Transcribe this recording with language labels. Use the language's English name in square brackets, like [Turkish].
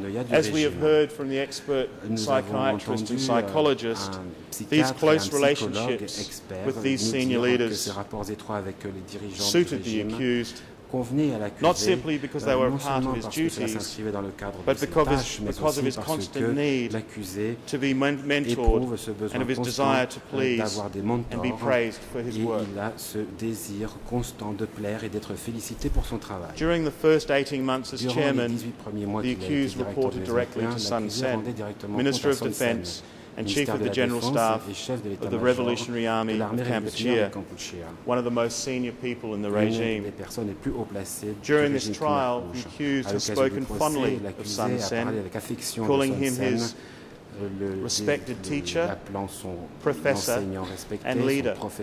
[English] As we have heard from the expert psychiatrist and psychologist, these close relationships with these senior leaders suited the accused, not simply because they were a part of his duties, but because of his constant need to be mentored and of his desire to please and be praised for his work. [French] Il a ce désir constant de plaire et d'être félicité pour son travail. [English] During the first 18 months as chairman, the accused reported directly to Sun Sen, Minister of Defense and Chief of the General Staff of the Revolutionary Army of Kampuchea, one of the most senior people in the regime. During this trial, the accused has spoken fondly of Sun Sen, calling him his respected teacher, professor, and leader.